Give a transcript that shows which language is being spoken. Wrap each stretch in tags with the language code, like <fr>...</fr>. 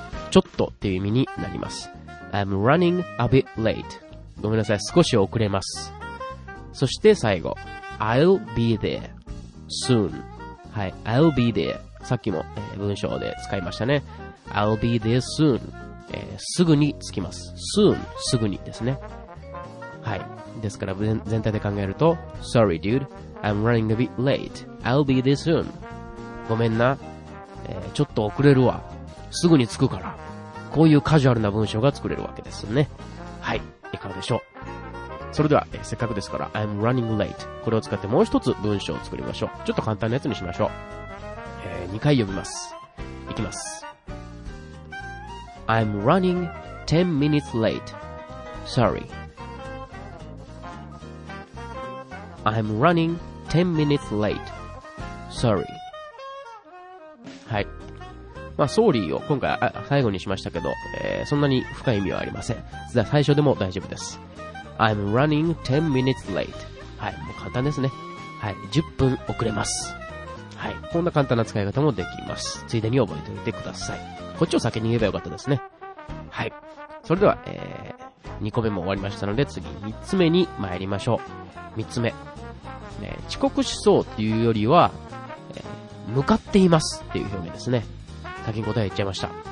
<ja>ちょっとっていう意味になります。</ja> <en>I'm running a bit late、</en> <ja>ごめんなさい、少し遅れます。そして最後</ja> <en>I'll be there soon、</en> <ja>はい、 I'll be there、 さっきも文章で使いましたね。</ja> <en>I'll be there soon、</en> <ja>すぐに着きます。 soon、 すぐにですね。はい、ですから全体で考えると</ja> <en>Sorry dude, I'm running a bit late, I'll be there soon、</en> <ja>ごめんな、ちょっと遅れるわ、すぐに着くから、こういうカジュアルな文章が作れるわけですね。はい、いかがでしょう。それでは、せっかくですから</ja> <en>I'm running late、</en> <ja>これを使ってもう一つ文章を作りましょう。ちょっと簡単なやつにしましょう、2回読みます。いきます。</ja> <en>I'm running 10 minutes late, sorryI'm running 10 minutes late. Sorry. はい。</en> <ja>まあ、sorry を今回最後にしましたけど、そんなに深い意味はありません。じゃあ最初でも大丈夫です。</ja> <en>I'm running 10 minutes late.</en> <ja>はい。もう簡単ですね。はい。10分遅れます。はい。こんな簡単な使い方もできます。ついでに覚えておいてください。こっちを先に言えばよかったですね。はい。それでは、2個目も終わりましたので、次3つ目に参りましょう。3つ目。遅刻しそうというよりは、向かっていますっていう表現ですね。先に答え言っちゃいました。</ja>